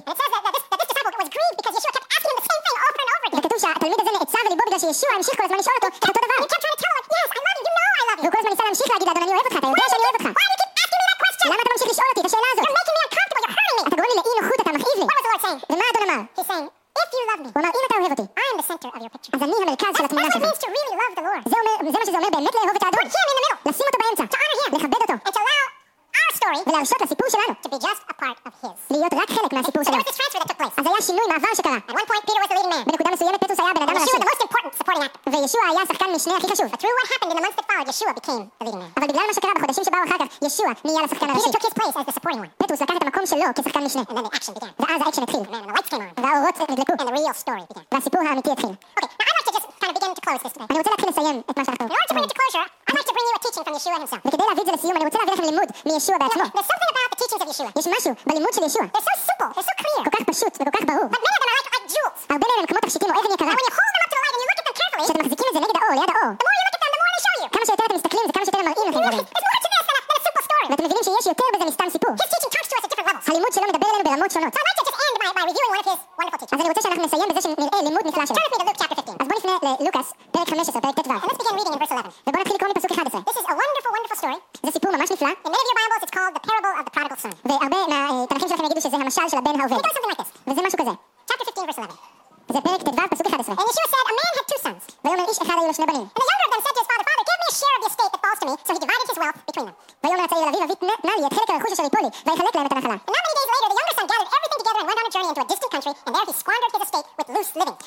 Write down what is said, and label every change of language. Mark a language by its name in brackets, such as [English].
[English] And it says that this disciple was grieved because Yeshua kept asking him the same thing over and over again. [Hebrew] וכתוב שהתלמיד הזה נעצב וליבו בגלל שישוע המשיך כל הזמן לשאול אותו אותו דבר. [English] He kept trying to tell him, "Yes, I love you. You know I love you." [Hebrew] וכל הזמן ניסה להמשיך להגיד לאדון, "אני אוהב אותך. אתה יודע שאני אוהב אותך." [English] Why do you keep asking me that question? [Hebrew] למה אתה ממשיך לשאול אותי את השאלה הזאת? [English] You're making me uncomfortable. You're hurting me. [Hebrew] אתה גורם לי לאי נוחות. אתה מכאיב לי. [English] What was the Lord saying? [Hebrew] ומה אדון אמר? [English] He's saying, "If you love me." [Hebrew] הוא אמר, "אם אתה אוהב אותי." [English] I am the center of your picture. [Hebrew] אז אני המרכז של התמונה שלך. [English] That's what it means to really love the Lord. [Hebrew] זה מה שזה אומר באמת לאהוב את האדון. [English] Put him in the middle. [Hebrew] לשים אותו באמצע. [English] To honor him. [Hebrew] לכבד אותו. [English] And to allow our story to be just a part of his. [Hebrew] להיות רק חלק מהסיפור שלו. [English] There was this transfer that took place. [Hebrew] אז היה שינוי מעבר שקרה. [English] At one point, Peter was the leading man. [Hebrew] בנקודה מסוימת, פטרוס היה בן אדם הראשי. [English] And Yeshua was the most important supporting actor. [Hebrew] וישוע היה שחקן משנה הכי חשוב. [English] But through what happened in the months that followed, Yeshua became the leading man. [Hebrew] אבל בגלל מה שקרה בחודשים שבאו אחר כך, ישוע נהיה לשחקן הראשי. [English] Peter took his place as the supporting one. [Hebrew] פטרוס לקח את המקום שלו כשחקן משנה. [English] And then the action began. [Hebrew] ואז האקשן התחיל. [English] And the lights came on. And the real story began. [Hebrew] והסיפור האמיתי התחיל. [English] Okay, now I'd like to just kind of begin to close this today. [Hebrew] אני רוצה להתחיל לסיים את מה שאנחנו. [English] In order to bring it to closure, I'd like to bring you a teaching from Yeshua himself. [Hebrew] וכדי להביא את זה לסיום, אני רוצה להביא לכם לימוד מישוע בעצמו. [English] There's something about the teachings of Yeshua. [Hebrew] יש משהו בלימוד של ישוע. [English] They're so simple, they're so clear. [Hebrew] כל כך פשוט וכל כך ברור. [English] But many of them are like jewels. [Hebrew] הרבה מהם הם כמו תכשיטים או אבן יקרה. [English] And when you hold them up to the light and you look at them carefully, [Hebrew] כשאתם מחזיקים את זה נגד האור, ליד האור, [English] the more you look at them, the more they show you. [Hebrew] כמה שיותר אתם מסתכלים, זה כמה שיותר מראים לכם דברים. ואתם מבינים שיש יותר בזה מסתם סיפור. [English] His teaching talks to us at different levels. [Hebrew] הלימוד שלו מדבר אלינו ברמות שונות. [English] So I'd like to just end by reviewing one of his wonderful teachings. [Hebrew] אז אני רוצה שאנחנו נסיים בזה שנראה לימוד נפלא שלו. [English] Turn with me to Luke chapter 15. [Hebrew] אז בוא נפנה ללוקס, פרק 15, פרק ט"ו. [English] And let's begin reading in verse 11. [Hebrew] ובוא נתחיל לקרוא מפסוק 11. [English] This is a wonderful, wonderful story. [Hebrew] זה סיפור ממש נפלא. [English] In many of your Bibles it's called the parable of the prodigal son. [Hebrew] והרבה מהתנכים שלכם יגידו שזה המשל של הבן האובד. [English] It goes something like this. [Hebrew] וזה משהו כזה. [English] Chapter 15, verse 11. [Hebrew] זה פרק ט"ו, 11. [English] And not many days later, the younger son gathered everything together and went on a journey into a distant country, and there he squandered his estate with loose living.